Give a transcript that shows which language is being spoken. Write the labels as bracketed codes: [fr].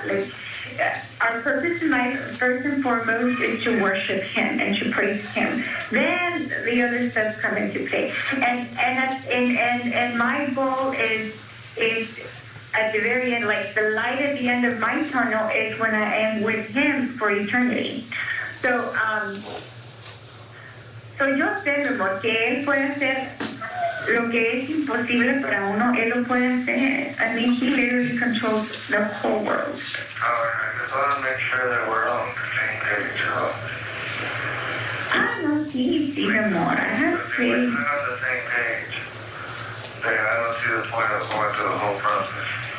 [en] Like, our purpose in life, first and foremost, is to worship Him and to praise Him. Then the other stuff comes into play. And my goal is at the very end, like the light at the end of my tunnel is when I am with Him for eternity. [es] So yo sé lo que Él puede hacer. Lo que es imposible para uno, él lo puede hacer. [en] I mean, he literally controls the whole world. I just want to make sure that we're on the same page, though. I don't see anything anymore. I have faith. If we're on the same page, then I don't see the point of going through the whole process.